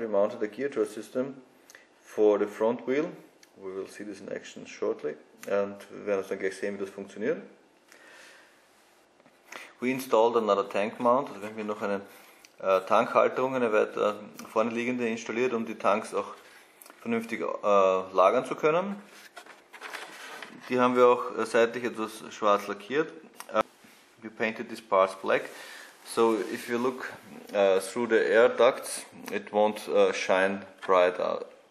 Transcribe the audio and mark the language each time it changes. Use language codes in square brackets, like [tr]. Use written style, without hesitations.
[en] We mounted a Gear-Door System for the front wheel. We will see this in action shortly. [de] Und wir werden uns dann gleich sehen, wie das funktioniert. [en] We installed another tank mount. [de] Also wir haben hier noch eine Tankhalterung, eine weiter vorne liegende, installiert, um die Tanks auch vernünftig lagern zu können. Die haben wir auch seitlich etwas schwarz lackiert. [en] We painted these parts black. So if you look through the air ducts, it won't shine bright out.